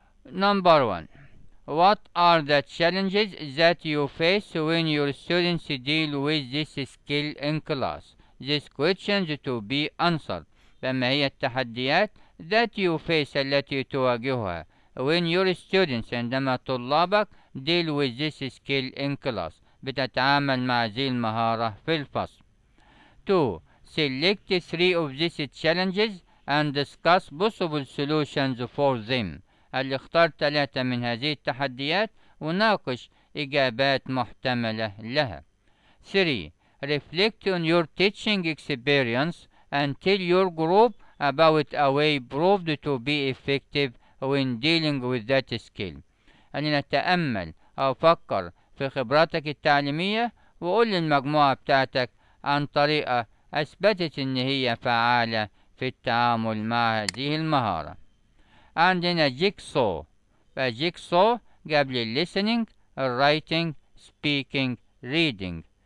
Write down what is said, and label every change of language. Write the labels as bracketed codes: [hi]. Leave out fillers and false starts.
[en] Number one, what are the challenges that you face when your students deal with this skill in class? This question is to be answered. [ar] فما هي التحديات [en] that you face [ar] التي تواجهها [en] when your students [ar] عندما طلابك [en] deal with this skill in class [ar] بتتعامل مع هذه المهارة في الفصل. 2. [en] Select 3 of these challenges and discuss possible solutions for them. [ar] اللي اختار 3 من هذه التحديات وناقش إجابات محتملة لها. 3. [en] Reflect on your teaching experience and tell your group about a way proved to be effective when dealing with that skill. [ar] أن نتأمل أو فكر في خبراتك التعليمية وقول للمجموعة بتاعتك عن طريقة أثبتت أن هي فعالة في التعامل مع هذه المهارة. عندنا جيكسو. فجيكسو قبل listening, writing, speaking, reading.